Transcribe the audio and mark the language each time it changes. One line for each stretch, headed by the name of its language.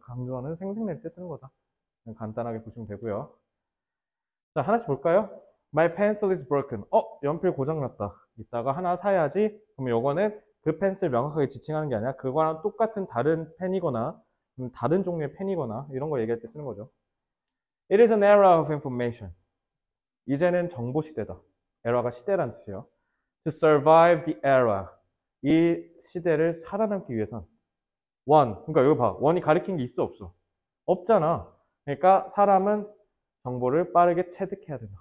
Korean: 강조하는 생색낼 때 쓰는 거다. 간단하게 보시면 되고요. 자, 하나씩 볼까요?
English: My pencil is broken.
Korean: 연필 고장났다. 이따가 하나 사야지. 그럼 요거는 그 펜슬 명확하게 지칭하는 게 아니라 그거랑 똑같은 다른 펜이거나 다른 종류의 펜이거나 이런 거 얘기할 때 쓰는 거죠.
English: It is an era of information.
Korean: 이제는 정보 시대다. 에러가 시대란 뜻이에요.
English: To survive the era.
Korean: 이 시대를 살아남기 위해선. One. 그러니까 여기 봐. One이 가리킨 게 있어, 없어? 없잖아. 그러니까 사람은 정보를 빠르게 체득해야 된다.